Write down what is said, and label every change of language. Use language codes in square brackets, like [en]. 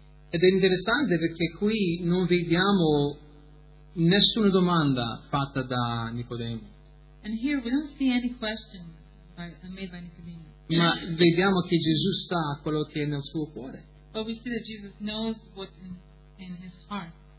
[it] Ed è interessante perché qui non vediamo nessuna domanda fatta da Nicodemo. [en] And here we don't see any question made by Nicodemo. [it] Ma vediamo che Gesù sa quello che è nel suo cuore. [en] But we see that Jesus knows what's in his heart.